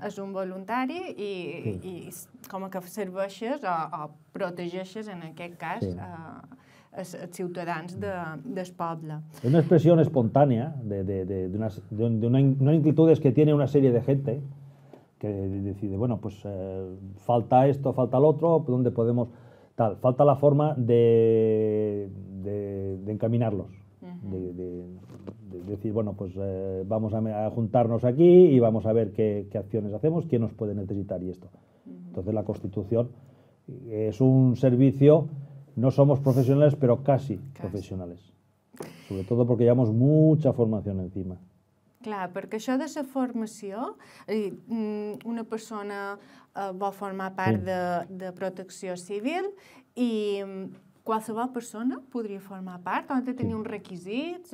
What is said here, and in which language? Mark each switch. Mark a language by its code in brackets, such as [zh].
[ca] És un voluntari i com que serveixes o protegeixes, en aquest cas, els ciutadans del poble. És una expressió espontània d'una inquietud que té una sèrie de gent que [es] decide, bueno, pues falta esto, [ca] falta l'altre, on podem... [es] Tal, falta la forma de encaminarlos. Uh-huh. De decir, bueno, pues vamos a juntarnos aquí y vamos a ver qué acciones hacemos, quién nos puede necesitar y esto. Uh-huh. Entonces la Constitución es un servicio, no somos profesionales, pero casi profesionales. Sobre todo porque llevamos mucha formación encima. [ca] Clar, perquè això de la formació, una persona vol formar part de protecció civil i qualsevol persona podria formar part? O ha de tenir uns requisits?